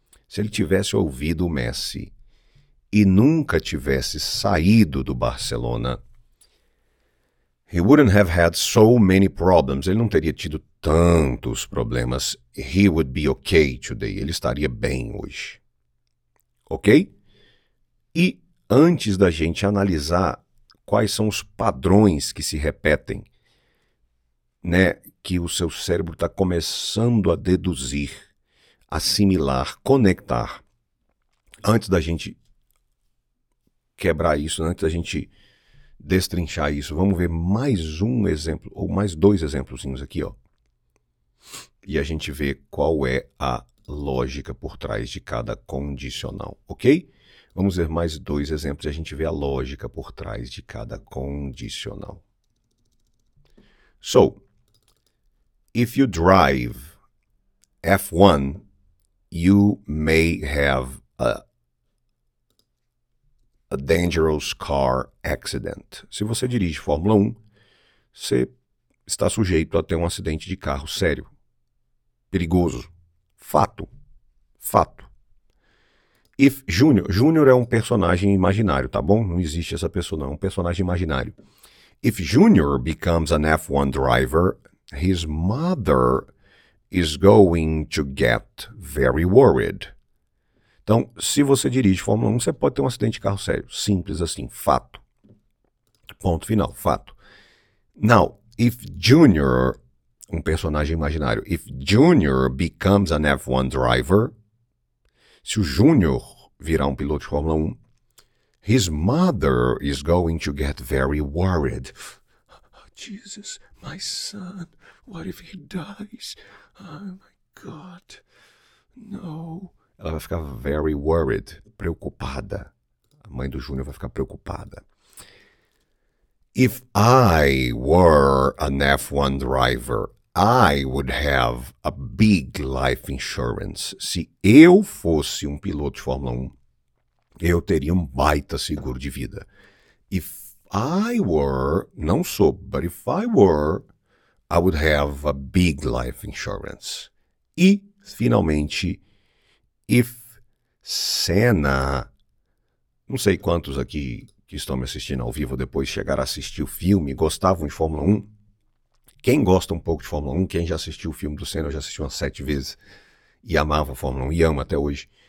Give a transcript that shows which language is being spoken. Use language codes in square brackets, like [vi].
[pt] Se ele tivesse ouvido o Messi e nunca tivesse saído do Barcelona, [en] he wouldn't have had so many problems. [pt] Ele não teria tido tantos problemas. [en] He would be okay today. [pt] Ele estaria bem hoje. Ok? E antes da gente analisar quais são os padrões que se repetem, né, que o seu cérebro está começando a deduzir, assimilar, conectar, antes da gente quebrar isso, antes da gente destrinchar isso, vamos ver mais um exemplo, ou mais dois exemplozinhos aqui, ó, e a gente vê qual é a lógica por trás de cada condicional, ok? Vamos ver mais dois exemplos e a gente vê a lógica por trás de cada condicional. [en] So, if you drive F1, you may have a dangerous car accident. [pt] Se você dirige Fórmula 1, você está sujeito a ter um acidente de carro sério, perigoso. Fato. Fato. [en] If Júnior. [pt] Júnior é um personagem imaginário, tá bom? Não existe essa pessoa, não. É um personagem imaginário. [en] If Júnior becomes an F1 driver, his mother is going to get very worried. [pt] Então, se você dirige Fórmula 1, você pode ter um acidente de carro sério. Simples assim. Fato. Ponto final. Fato. [en] Now, if Júnior, [pt] um personagem imaginário, [en] if Junior becomes an F1 driver, [pt] se o Junior virar um piloto de Fórmula 1, [en] his mother is going to get very worried. Oh, Jesus, my son, what if he dies? Oh my God, no. [pt] Ela vai ficar [en] very worried, [pt] preocupada. A mãe do Junior vai ficar preocupada. [en] If I were an F1 driver, I would have a big life insurance. [pt] Se eu fosse um piloto de Fórmula 1, eu teria um baita seguro de vida. [en] If I were, [pt] não sou, [en] but if I were, I would have a big life insurance. [pt] E, finalmente, [en] if Senna, [pt] não sei quantos aqui que estão me assistindo ao vivo depois chegaram a assistir o filme, gostavam de Fórmula 1. Quem gosta um pouco de Fórmula 1, quem já assistiu o filme do Senna, eu já assisti umas 7 vezes e amava a Fórmula 1 e amo até hoje.